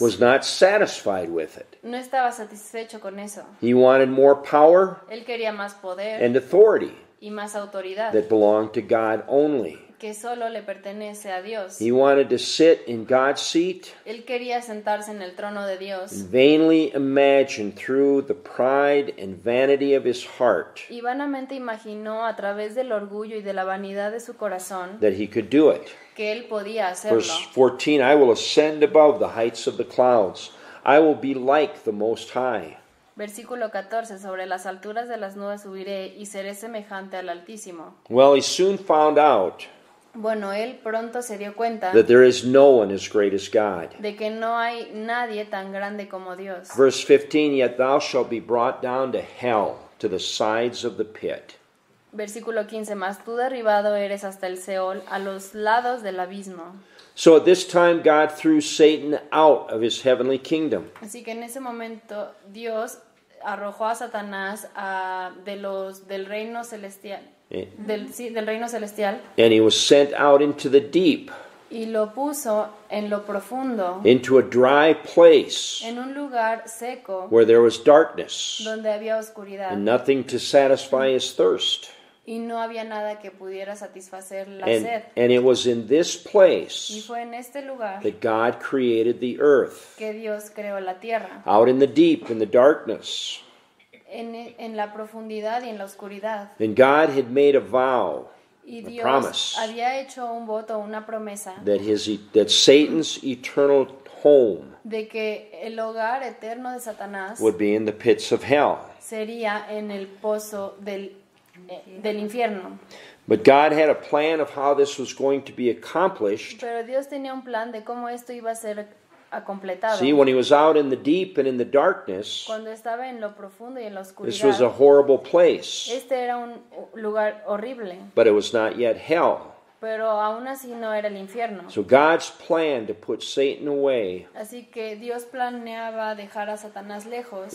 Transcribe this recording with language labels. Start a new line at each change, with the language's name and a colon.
English: was not satisfied with it.
Spanish: No estaba satisfecho con eso.
English: He wanted more power,
Spanish: él quería más poder,
English: and authority,
Spanish: y más autoridad,
English: that belonged to God only.
Spanish: Que solo le pertenece a Dios.
English: He wanted to sit in God's seat.
Spanish: Él quería sentarse en el trono de Dios.
English: Vainly imagined through the pride and vanity of his heart.
Spanish: Y vanamente imaginó a través del orgullo y de la vanidad de su corazón.
English: That he could do it.
Spanish: Que él podía hacerlo.
English: Verse 14, I will ascend above the heights of the clouds. I will be like the Most High.
Spanish: Versículo 14, sobre las alturas de las nubes subiré y seré semejante al Altísimo.
English: Well, he soon found out.
Spanish: Bueno, él pronto se dio cuenta.
English: That there is no one as great as God.
Spanish: De que no hay nadie tan grande como Dios.
English: Verse 15, yet thou shalt be brought down to hell, to the sides of the pit.
Spanish: Versículo 15, mas tú derribado eres hasta el Seol, a los lados del abismo.
English: So at this time God threw Satan out of his heavenly kingdom.
Spanish: Así que en ese momento Dios arrojó a Satanás del reino celestial. Del reino celestial.
English: And he was sent out into the deep.
Spanish: Y lo puso en lo profundo.
English: Into a dry place.
Spanish: En un lugar seco.
English: Where there was darkness.
Spanish: Donde había oscuridad.
English: And nothing to satisfy his thirst.
Spanish: Y no había nada que pudiera satisfacer la sed.
English: And it was in this place.
Spanish: Y fue en este lugar.
English: That God created the earth.
Spanish: Que Dios creó la tierra.
English: Out in the deep, in the darkness.
Spanish: En la profundidad y en la oscuridad.
English: And God had made a vow.
Spanish: Y Dios
English: a promise,
Spanish: había hecho un voto, una promesa.
English: That Satan's eternal home.
Spanish: De que el hogar eterno de Satanás.
English: Would be in the pits of hell.
Spanish: Sería en el pozo del infierno.
English: But God had a plan of how this was going to be accomplished.
Spanish: Pero Dios tenía un plan de cómo esto iba a ser completado.
English: See, when he was out in the deep and in the darkness.
Spanish: Cuando estaba en lo profundo y en la oscuridad.
English: This was a horrible place.
Spanish: Este era un lugar horrible.
English: But it was not yet hell.
Spanish: Pero aún así no era el infierno.
English: So God's plan to put Satan away.
Spanish: Así que Dios planeaba dejar a Satanás lejos.